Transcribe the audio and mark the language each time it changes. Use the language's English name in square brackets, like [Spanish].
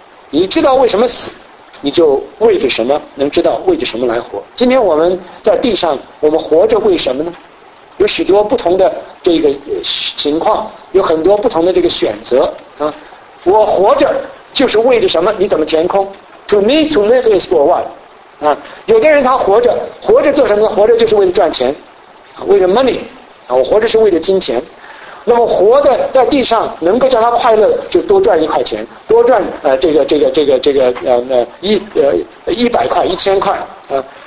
[Chinese] 你知道为什么死，你就为着什么能知道为着什么来活。今天我们在地上，我们活着为什么呢？有许多不同的这个情况，有很多不同的这个选择啊。我活着就是为着什么，你怎么填空？ [English] To me to live is for what 啊。 [Chinese] 有的人他活着做什么呢？活着就是为了赚钱，为了 money 啊，我活着是为了金钱。那么活的在地上能够叫他快乐，就多赚一块钱，多赚100块1000块啊。